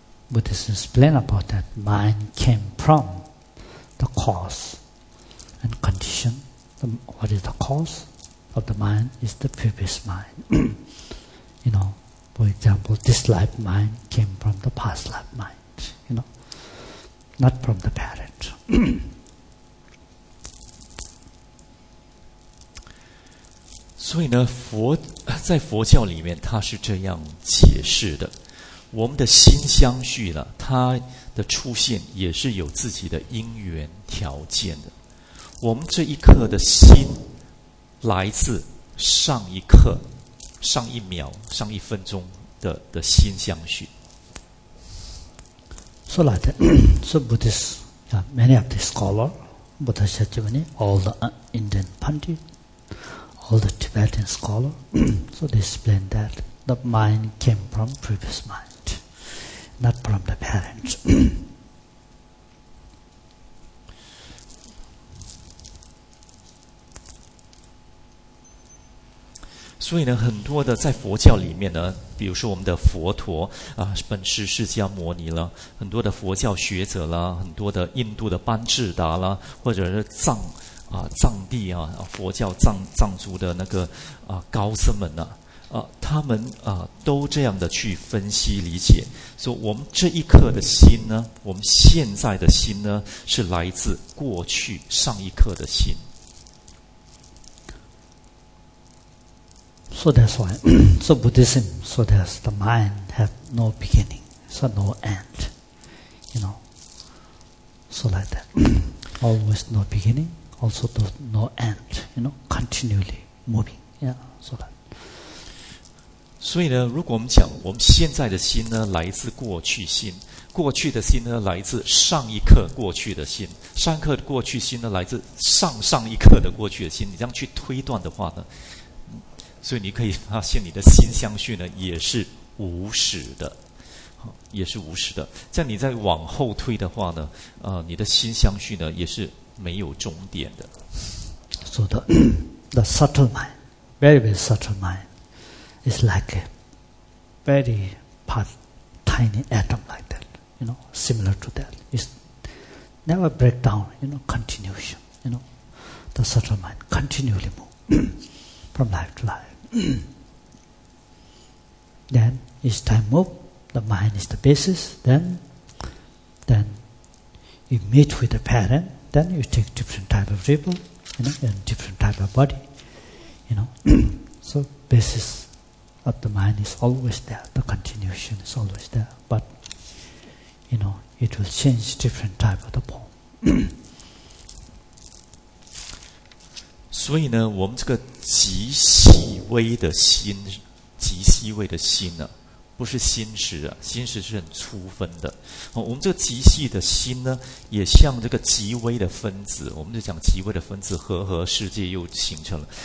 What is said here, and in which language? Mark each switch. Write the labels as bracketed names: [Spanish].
[English] Buddhists explain about that mind came from the cause and condition. What is the cause of the mind is the previous mind. You know, for example, this life mind came from the past life mind, you know, not from the parent. [Chinese] 所以呢，在佛教里面，他是这样解释的。我们的心相续呢，它的出现也是有自己的因缘条件的。我们这一刻的心来自上一刻、上一秒、上一分钟 的心相续。 [English] So like that, so Buddhists, yeah, many of the scholars, Buddha Shakyamuni, all the Indian Pandit, all the Tibetan scholars, so they explain that the mind came from previous mind. Not from the parents. [Chinese] 所以呢，很多的在佛教里面呢，比如说我们的佛陀啊，本师释迦牟尼了，很多的佛教学者啦，很多的印度的班智达啦，或者是藏地啊，佛教藏族的那个高僧们呢。他们都这样的去分析理解，说我们这一刻的心呢，我们现在的心呢，是来自过去上一刻的心。 [English] So that's why, so Buddhism, so that the mind have no beginning, so no end, you know. So like that, always no beginning, also no end, you know, continually moving, yeah, so that. [Chinese] 所以呢，如果我们讲我们现在的心呢，来自过去心，过去的心呢，来自上一刻过去的心，上一刻的过去心呢，来自上上一刻的过去的心，你这样去推断的话呢，所以你可以发现你的心相续呢，也是无始的，也是无始的。这样你再往后推的话呢，你的心相续呢，也是没有终点的。 [English] So the subtle mind, very, very subtle mind. It's like a very tiny atom like that, you know, similar to that. It's never break down, you know, continuation, you know. The subtle mind continually move from life to life. Then each time move, the mind is the basis. Then you meet with the parent, then you take different type of ripple, you know, and different type of body, you know. So basis. But the mind is always there, the continuation is always there. But, you know, it will change different type of the form. [Chinese] 所以呢，我们这个极细微的心，极细微的心呢，不是心识啊，心识是很粗分的。哦，我们这个极细的心呢，也像这个极微的分子，我们就讲极微的分子和合世界又形成了。